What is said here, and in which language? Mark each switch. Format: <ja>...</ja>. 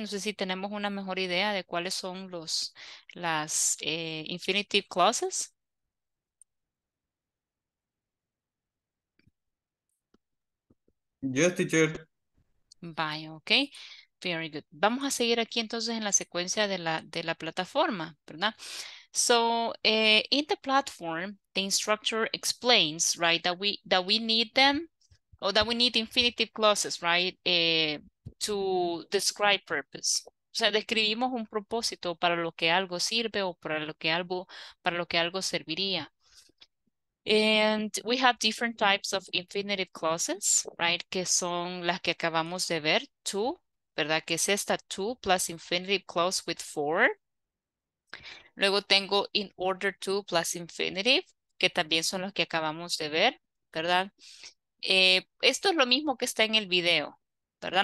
<es>No sé si tenemos una mejor idea de cuáles son las infinitive clauses.</es> <en>Yes, teacher. Bye, okay. Very good.</en> <es>Vamos a seguir aquí entonces en la secuencia de la plataforma, ¿verdad?</es> <en>So, in the platform, the instructor explains, right, that we need them, or that we need infinitive clauses, right, to describe purpose.</en> <es>O sea, describimos un propósito para lo que algo sirve o para lo que algo serviría.</es> <en>And we have different types of infinitive clauses, right?</en> <es>Que son las que acabamos de ver, to, ¿verdad? Que es esta,</es> <en>to, plus infinitive clause with for.</en> <es>Luego tengo in order to, plus infinitive, que también son los que acabamos de ver, ¿verdad? Esto es lo mismo que está en el video, ¿verdad?</es>